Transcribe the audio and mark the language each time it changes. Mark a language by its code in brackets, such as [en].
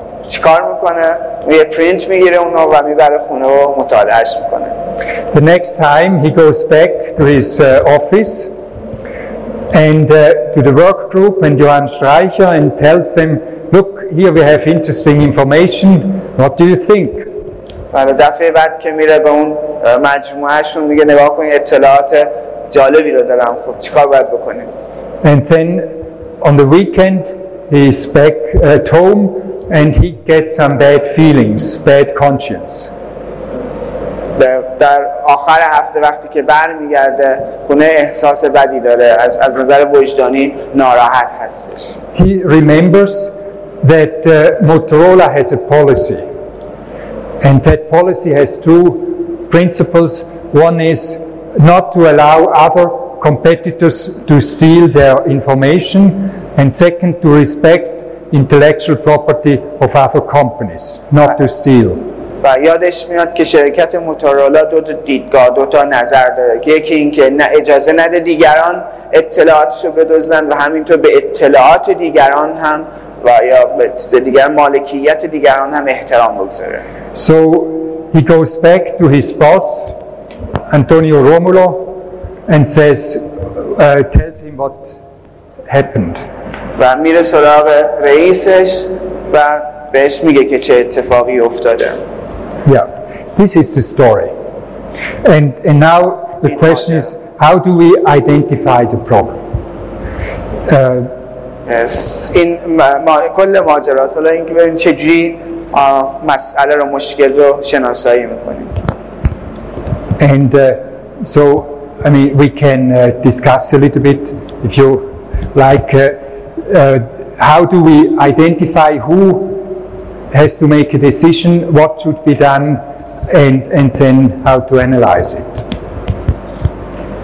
[fa] چیکار میکنه؟ یه پرینت میگیره اونو و میبره خونه و مطالعهش میکنه. [en] The next time he goes back to his office and to the work group and Johann Streicher and tells them, look, here we have interesting information, what do you think? [fa] بله، دفعه بعد که میره به اون مجموعهشون میگه نگاه کن اطلاعات جالبی رو دارم، خب چیکار باید بکنیم؟ [en] And then on the weekend he's back at home and he gets some bad feelings, bad conscience. [fa] در آخر هفته وقتی که بر میگرده خونه احساس بدی داره، از نظر وجدانی ناراحت هستش. [en] He remembers that Motorola has a policy, and that policy has two principles. One is not to allow other competitors to steal their information, and second, to respect intellectual property of other companies, not to steal. [fa] و یادش میاد که شرکت موتورولا دو تا دیدگاه، دو تا نظر داره، یکی این که اجازه نده دیگران اطلاعاتشو بدزدن و همینطور به اطلاعات دیگران هم و یا به چیز دیگر مالکیت دیگران هم احترام بگذاره. [en] So he goes back to his boss Antonio Romulo and says tells him what happened. [fa] و میره سراغ رئیسش و بهش میگه که چه اتفاقی افتاده. [en] Yeah, this is the story. And now the question is, how do we identify the problem? Yes, in [fa] کل ماجرا حالا اینکه ببین چه جوری مسئله رو مشکل رو شناسایی می‌کنیم. [en] And so I mean we can discuss a little bit if you like how do we identify who has to make a decision, what should be done, and then how to analyze it.